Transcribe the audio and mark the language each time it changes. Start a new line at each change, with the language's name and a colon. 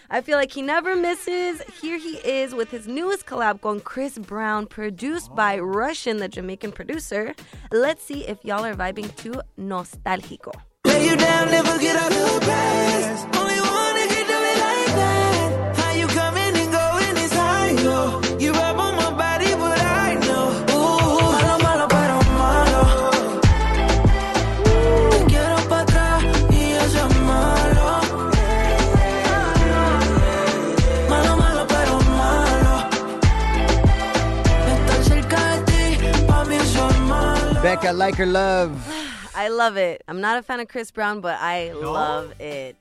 English: I feel like he never misses. Here he is with his newest collab con Chris Brown, produced by Russian, the Jamaican producer. Let's see if y'all are vibing to Nostálgico. Lay you down, never get out of the past. Only wanna get to me like that. How you coming and going is I know. You rub on my body, but I know.
Spanish: Ooh, malo, malo, pero malo. Te quiero pa' atrás y yo soy malo. Malo, malo, pero malo. Estar cerca de ti, pa' mí soy malo.
English: Becca, like or love? I love it. I'm not a fan of Chris Brown, but I love it.